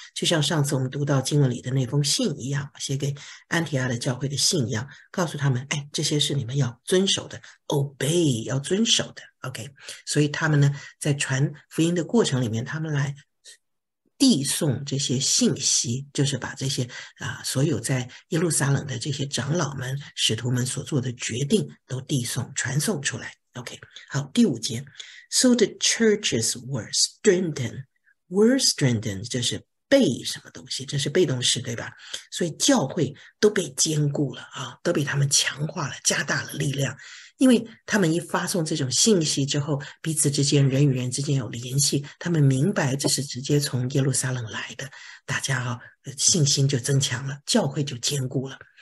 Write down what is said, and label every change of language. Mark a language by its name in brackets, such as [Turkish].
[Chinese] 就像上次我们读到经文里的那封信一样，写给安提阿的教会的信一样，告诉他们：哎，这些是你们要遵守的，obey 要遵守的。 OK，所以他们呢，在传福音的过程里面，他们来递送这些信息，就是把这些所有在耶路撒冷的这些长老们、使徒们所做的决定都递送、传送出来。 [English] OK， [Chinese] 好，第五节， [English] So the churches were strengthened。 Were strengthened， [Chinese] 这是被什么东西？这是被动式，对吧？所以教会都被坚固了啊，都被他们强化了，加大了力量。因为他们一发送这种信息之后，彼此之间人与人之间有联系，他们明白这是直接从耶路撒冷来的，大家信心就增强了，教会就坚固了。